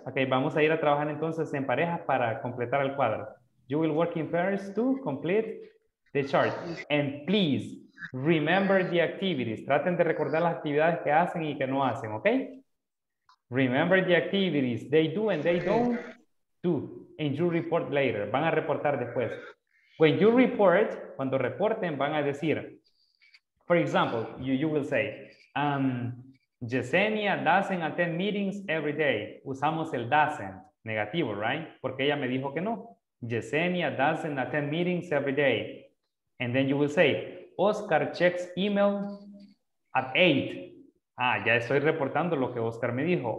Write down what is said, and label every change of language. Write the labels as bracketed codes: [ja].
[es] Okay, vamos a ir a trabajar entonces en parejas para completar el cuadro. [en] You will work in pairs to complete the chart. And please remember the activities. [es] Traten de recordar las actividades que hacen y que no hacen, okay? [en] Remember the activities they do and they don't do. And you report later. [es] Van a reportar después. [en] When you report, [es] cuando reporten, van a decir, [en] for example, you will say, Yesenia doesn't attend meetings every day. [es] Usamos el doesn't, negativo, right? Porque ella me dijo que no. [en] Yesenia doesn't attend meetings every day. And then you will say, Oscar checks email at 8. [es] Ah, ya estoy reportando lo que Oscar me dijo.